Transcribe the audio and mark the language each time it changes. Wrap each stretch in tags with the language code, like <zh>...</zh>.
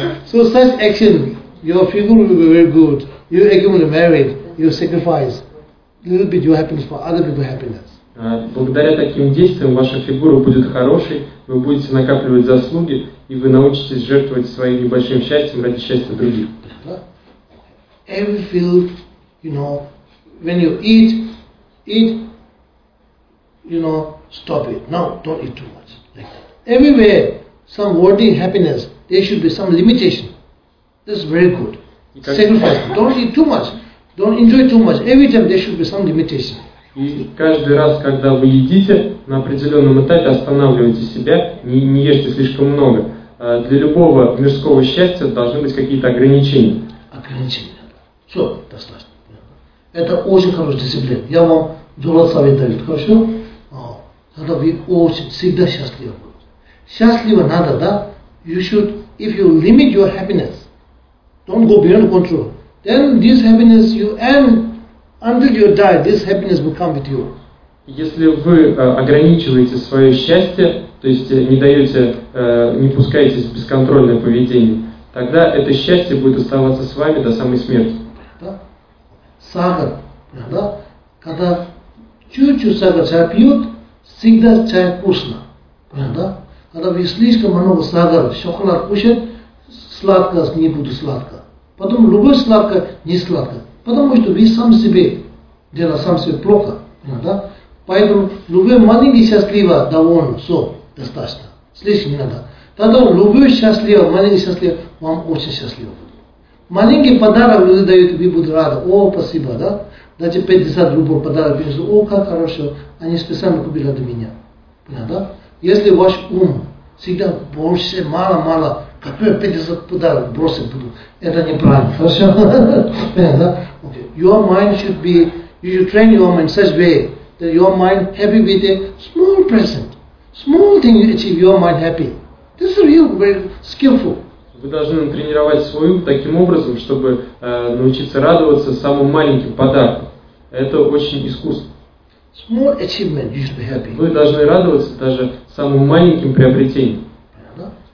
<en>So such action, your figure will be very good, you accumulate merit, you sacrifice little bit your happiness for other people's happiness.</en> <ru>Благодаря таким действиям ваша фигура будет хорошей, вы будете накапливать заслуги и вы научитесь жертвовать своим небольшим счастьем ради счастья других.</ru> <en>Every field, you know, when you eat, you know, stop it. No, don't eat too much. Everywhere, some worldly happiness, there should be some limitation. This is very good. Sacrifice. Don't eat too much. Don't enjoy too much. Every time there should be some limitation.</en> <ru>И каждый раз, когда вы едите, на определенном этапе останавливайте себя, не ешьте слишком много. Для любого мирского счастья должны быть какие-то ограничения. Ограничения. Все, достаточно. Это очень хорошая дисциплина. Я вам желаю советовать. Хорошо? Тогда вы очень всегда счастливы будете. Счастливо надо, да?</ru> <en>You should, if you limit your happiness, don't go beyond control, then this happiness you end, until you die, this happiness will come with you.</en> <ru>Если вы ограничиваете свое счастье, то есть не даете, не пускаетесь в бесконтрольное поведение, тогда это счастье будет оставаться с вами до самой смерти. Да? Сахар, да? Когда чуть-чуть сахар чай пьют, всегда чай вкусно. Понятно? Да? Когда вы слишком много сахара, шоколад кушает, сладко не будет сладко. Потом любой сладко не сладко. Потому что вы сам себе делаете сам себе плохо. Понятно? Да? Поэтому любой маленький счастливый доволен, все, достаточно. Слишком не надо. Тогда любой счастливый, маленький счастливый, вам очень счастливо будет. Маленький подарок люди дают, вы будете рады. О, спасибо, да? Дайте 50 рублей подарок, принесу, о, как хорошо, они специально купили для меня. Понятно, да? Если ваш ум всегда больше, мало, какой 50 подарок бросить буду, это неправильно, хорошо? Понятно, да? Okay.</ru> <en>Your mind should be, you should train your mind such way, that your mind happy with a small present. Small thing you achieve, your mind happy. This is real, very skillful.</en> <ru>Вы должны натренировать свой ум таким образом, чтобы научиться радоваться самым маленьким подарком. Это очень искусство.</ru> <en>Small achievement, you should be happy.</en> <ru>Вы должны радоваться даже самым маленьким приобретением. Понятно?</ru>